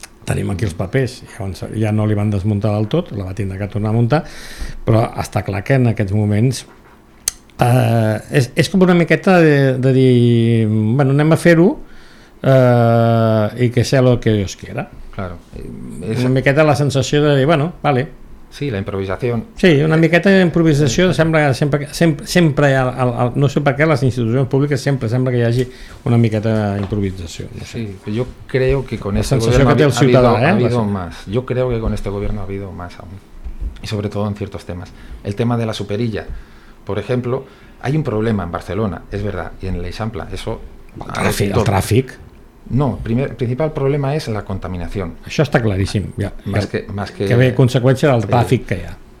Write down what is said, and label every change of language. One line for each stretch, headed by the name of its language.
Catalan: Tenim aquí els papers, ja no li van desmuntar del tot, la va tindre que tornar a muntar, però està clar que en aquests moments és com una miqueta de dir, bueno, anem a fer-ho i
Spanish: que sea lo que Dios quiera. Claro.
Catalan: Una miqueta la sensació de dir, bueno, vale. Sí, la improvisació. Sí, una miqueta d'improvisació, sembla que sempre hi ha, no sé per què, les institucions públiques sempre sembla que hi hagi una miqueta d'improvisació. No sé.
Spanish: Sí, yo creo que con
Catalan: la
Spanish: este
Catalan: sensació
Spanish: gobierno
Catalan: que té el ciutadà,
Spanish: ha habido más. Yo creo que con este gobierno ha habido más aún. Y sobre todo en ciertos temas. El tema de la superilla. Por ejemplo, hay un problema en Barcelona, es verdad, y en l'Eixample, eso...
Catalan: El tràfic. No, el principal problema és la contaminació. Això està claríssim. Ja.
Spanish: Más que
Catalan: ve conseqüència del tràfic que hi ha.